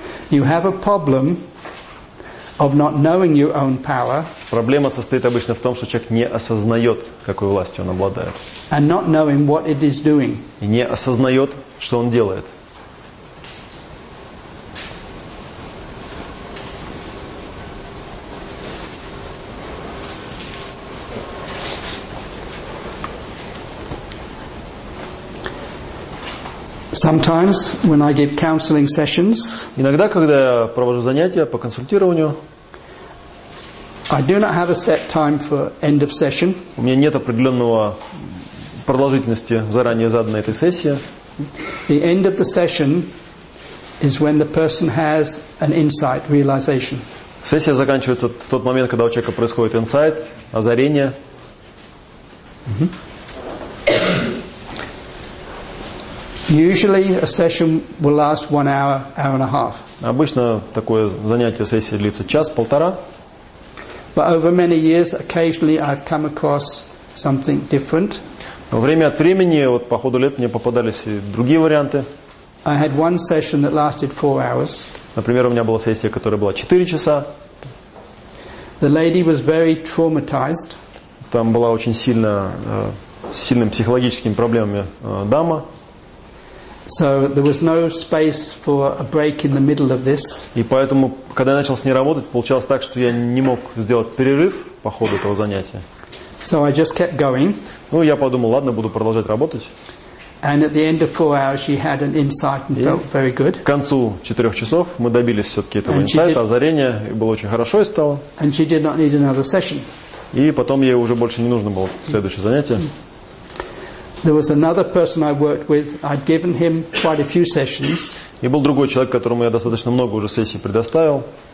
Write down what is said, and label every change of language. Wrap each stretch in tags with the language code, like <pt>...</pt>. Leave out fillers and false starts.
<en>You have a problem of not knowing your own power.</en> <ru>Проблема состоит обычно в том, что человек не осознает, какой властью он обладает.</ru> <en>And not knowing what it is doing.</en> <ru>И не осознает, что он делает.</ru> <en>Sometimes when I give counseling sessions.</en> <ru>Иногда, когда я провожу занятия по консультированию.</ru> <en>I do not have a set time for end of session.</en> <ru>У меня нет определенного продолжительности заранее заданной этой сессии.</ru> <en>The end of the session is when the person has an insight, realization.</en> <ru>Сессия заканчивается в тот момент, когда у человека происходит инсайт, озарение.</ru> <en>Usually a session will last 1 hour, hour and a half.</en> <ru>Обычно такое занятие, сессия длится час-полтора.</ru> <en>But over many years, occasionally I've come across something different.</en> <ru>Но время от времени, вот по ходу лет, мне попадались и другие варианты.</ru> <en>I had one session that lasted 4 hours.</en> <ru>Например, у меня была сессия, которая была 4 часа.</ru> <en>The lady was very traumatized.</en> <ru>Там была очень сильно, сильным психологическими проблемами дама.</ru> <en>So there was no space for a break in the middle of this.</en> <ru>И поэтому, когда я начал с ней работать, получалось так, что я не мог сделать перерыв по ходу этого занятия.</ru> <en>So I just kept going.</en> <ru>Ну, я подумал, ладно, буду продолжать работать.</ru> <en>And at the end of 4 hours, she had an insight and felt very good.</en> <ru>К концу 4 часов мы добились все-таки этого инсайта, озарения, и было очень хорошо и стало.</ru> <en>And she did not need another session.</en> <ru>И потом ей уже больше не нужно было следующее занятие.</ru> <en>There was another person I worked with. I'd given him quite a few sessions.</en> <ru>И был другой человек, которому я достаточно много уже сессий предоставил.</ru>